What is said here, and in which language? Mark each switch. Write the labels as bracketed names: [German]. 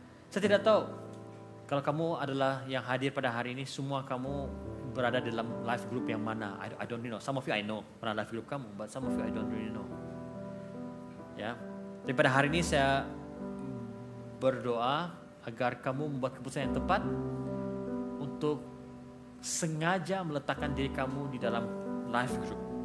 [Malay] Saya tidak tahu kalau kamu adalah yang hadir pada hari ini, semua kamu berada dalam life group yang mana. [English] I don't know. Some of you I know [Malay] pernah life group kamu, [English] but some of you I don't really know. [Malay] Ya. Tapi pada hari ini saya berdoa agar kamu membuat keputusan yang tepat untuk sengaja meletakkan diri kamu di dalam life group.